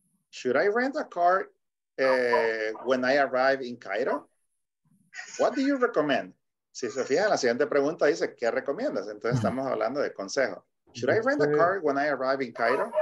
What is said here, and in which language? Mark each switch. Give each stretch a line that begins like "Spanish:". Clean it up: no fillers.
English: Should I rent a car when I arrive in Cairo? What do you recommend?
Spanish: Si se fijan, la siguiente pregunta dice, ¿qué recomiendas? Entonces estamos hablando de consejo.
English: Should I rent a car when I arrive in Cairo?